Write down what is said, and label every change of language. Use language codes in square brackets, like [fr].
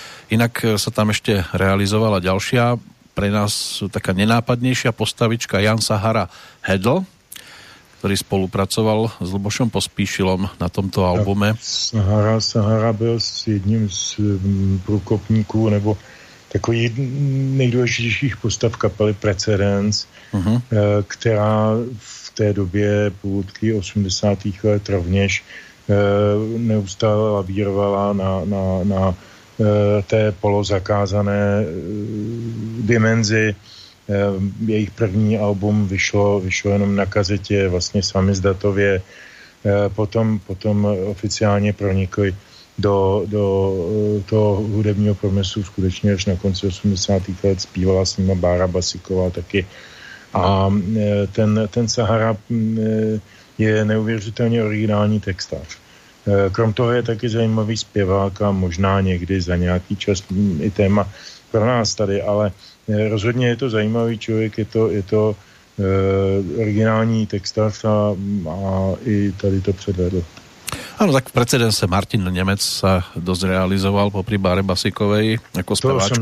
[sk] Inak sa tam ešte realizovala ďalšia, pre nás taká nenápadnejšia postavička Jan Sahara Hedl, ktorý spolupracoval s Lubošom Pospíšilom na tomto albume. [cs] Sahara byl s jedním z průkopníků nebo takový nejdůležitějších postav kapely Precedence, která v té době půlky 80. let rovněž neustále lavírovala na té polozakázané dimenzi. Jejich první album vyšlo jenom na kazetě, vlastně samizdatově. Potom oficiálně pronikli do toho hudebního promyslu skutečně až na konci 80. let. Zpívala s nima Bára Basiková taky. A ten Sahara je neuvěřitelně originální textář. Krom toho je taky zajímavý zpěvák a možná někdy za nějaký čas i téma pro nás tady, ale rozhodně je to zajímavý člověk, je to originální textař a i tady to předvedl. [sk] Áno, tak v precedense Martin Nemec sa dosť realizoval po Báre Basíkovej ako speváčke.